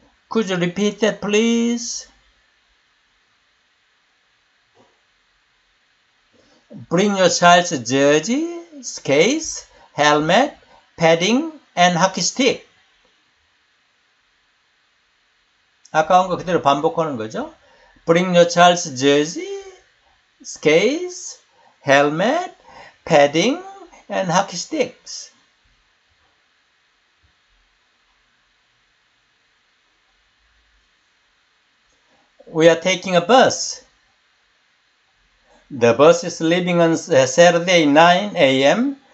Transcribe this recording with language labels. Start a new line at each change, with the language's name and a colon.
English: Could you repeat that, please? Bring your child's jersey, skates, helmet, padding, and hockey stick.
Korean: 아까 온 거 그대로 반복하는 거죠?
English: Bring your child's jersey, skates, helmet, padding, and hockey sticks. 'We are taking a bus.' The bus is leaving on Saturday 9 a.m.